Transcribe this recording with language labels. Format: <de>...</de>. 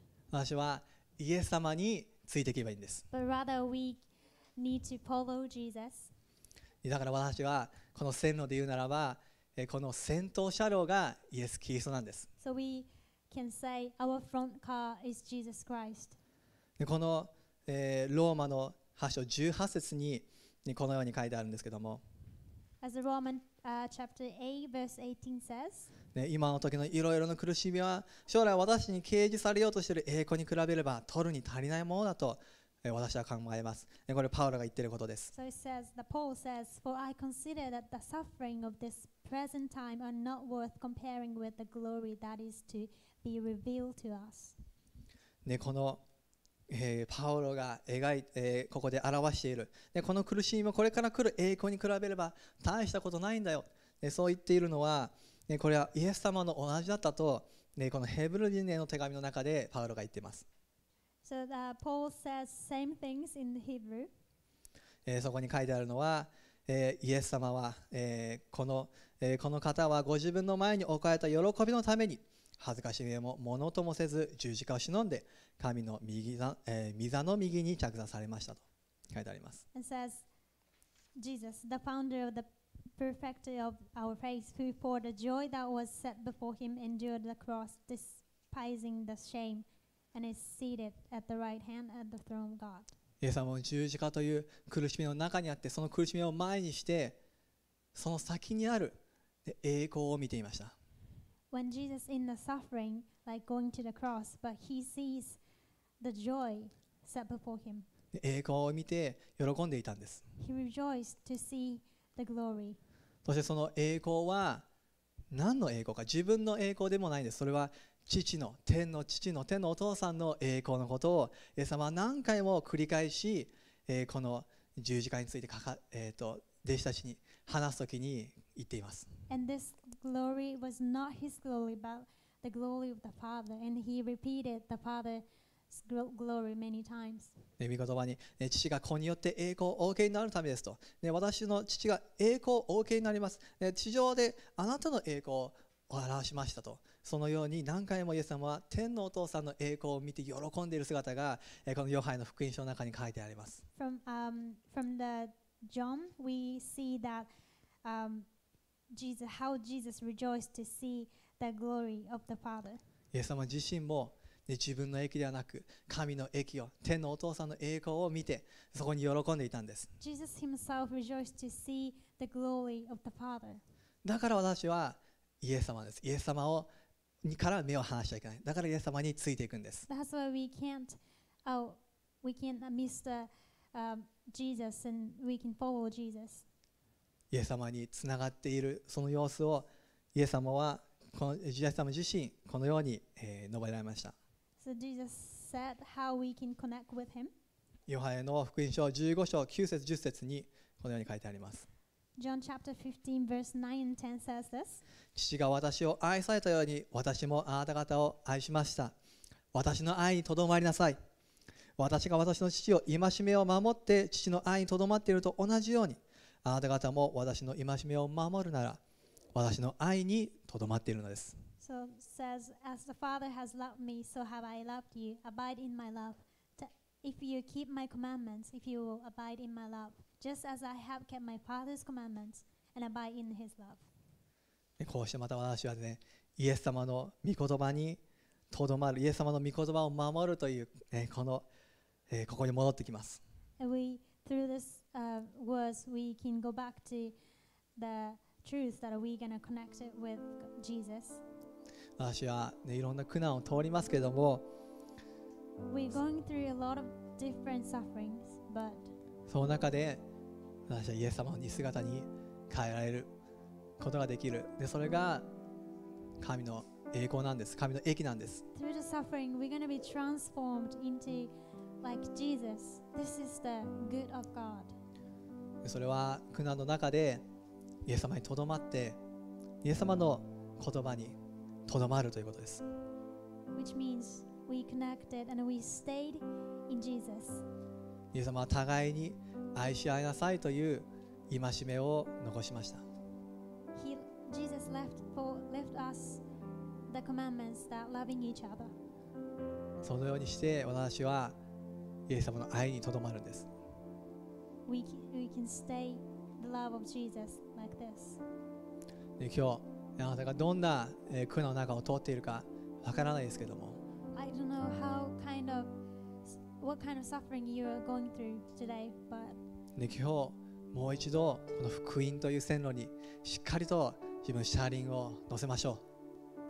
<ja>私はイエス様についていけばいいんです。</ja> <en>But rather we need to follow Jesus.</en> <ja>だから私はこの線路で言うならばこの先頭車両がイエス・キリストなんです。</ja> <en>So we can say our front car is Jesus Christ.</en> <ja>このローマの8章18節にこのように書いてあるんですけども、</ja> <en>As the Roman chapter 8 verse 18 says,</en> <ja>今の時のいろいろの苦しみは将来私に掲示されようとしている栄光に比べれば取るに足りないものだと私は考えます。これパウロが言っていることです。</ja> <en>So it says, the Paul says, For I consider that the suffering of this present time are not worth comparing with the glory that is to be revealed to us.</en> <ja>この、パウロが描い、ここで表している、この苦しみもこれから来る栄光に比べれば大したことないんだよ。そう言っているのは、これはイエス様の同じだったと、このヘブル人への手紙の中でパウロが言っています。</ja> <en>So the Paul says same things in the Hebrew.</en> <ja>そこに書いてあるのは、イエス様は、この方はご自分の前に置かれた喜びのために恥ずかしめもものともせず十字架を忍んで神の御座の右に着座されましたと書いてあります。</ja> <en>It says, Jesus, the founder of the perfecter of our faith, who for the joy that was set before him endured the cross, despising the shame. And is seated at the right hand at the throne of God.</en> <ja>イエス様も十字架という苦しみの中にあって、その苦しみを前にして、その先にある栄光を見ていました。</ja> <en>When Jesus in the suffering, like going to the cross, but he sees the joy set before him.</en> <ja>栄光を見て喜んでいたんです。</ja> <en>He rejoiced to see the glory.</en> <ja>そしてその栄光は何の栄光か、自分の栄光でもないんです。それは父の天の父の天のお父さんの栄光のことをイエス様は何回も繰り返し、この十字架について弟子たちに話すときに言っています。</ja> <en>And this glory was not his glory, but the glory of the Father. And he repeated the Father's glory many times.</en> <ja>御言葉に、父が子によって栄光をお受けになるためですと、私の父が栄光をお受けになります。地上であなたの栄光を表しましたと。そのように何回もイエス様は天のお父さんの栄光を見て喜んでいる姿が、このヨハネの福音書の中に書いてあります。</ja> <en>from the John we see that、Jesus, how Jesus rejoiced to see the glory of the Father。</en> <ja>イエス様自身も、ね、自分の益ではなく神の益を、天のお父さんの栄光を見てそこに喜んでいたんです。</ja> <en>Jesus himself rejoiced to see the glory of the Father。</en> <ja>だから私はイエス様です。イエス様をにから目を離しちゃいけない。だからイエス様についていくんです。</ja> <en>That's why we can't, we can't miss the, Jesus and we can follow Jesus.</en> <ja>イエス様につながっているその様子をイエス様はこのイエス様自身このように、述べられました。</ja> <en>So Jesus said how we can connect with him.</en> <ja>ヨハネの福音書15章9節10節にこのように書いてあります。</ja> <en>John chapter 15 verse 9 and 10 says this.</en> <ja>父が私を愛されたように私もあなた方を愛しました。私の愛にとどまりなさい。私が私の父を戒めを守って父の愛にとどまっていると同じようにあなた方も私の戒めを守るなら私の愛にとどまっているのです。</ja> <en>So it says, as the Father has loved me, so have I loved you. Abide in my love. If you keep my commandments, if you will abide in my love. Just as I have kept my Father's commandments and abide in His love.</en> <ja>こうしてまた私はね、イエス様の御言葉にとどまる、イエス様の御言葉を守るという、この、ここに戻ってきます。</ja> <en>We through this words we can go back to the truth that we gonna connect it with Jesus.</en> <ja>私はね、いろんな苦難を通りますけれども、</ja> <en>We going through a lot of different sufferings, but.</en> <ja>その中で私はイエス様の姿に変えられることができる。でそれが神の栄光なんです。神の益なんです。</ja> <en>Through the suffering we're going to be transformed into like Jesus. This is the good of God.</en> <ja>それは苦難の中でイエス様にとどまってイエス様の言葉にとどまるということです。</ja> <en>Which means we connected and we stayed in Jesus.</en> <ja>イエス様は互いに愛し合いなさいという戒めを残しました。</ja> <en>Jesus left us the commandments that loving each other.</en> <ja>そのようにして私はイエス様の愛にとどまるんです。</ja> <en>We can stay the love of Jesus like this.</en> <ja>今日あなたがどんな苦難の中を通っているかわからないですけども。</ja> <en>I don't know how kind ofWhat kind of suffering you are going through today, but</en> <ja>今日もう一度この福音という線路にしっかりと自分の車輪を乗せましょう。</ja>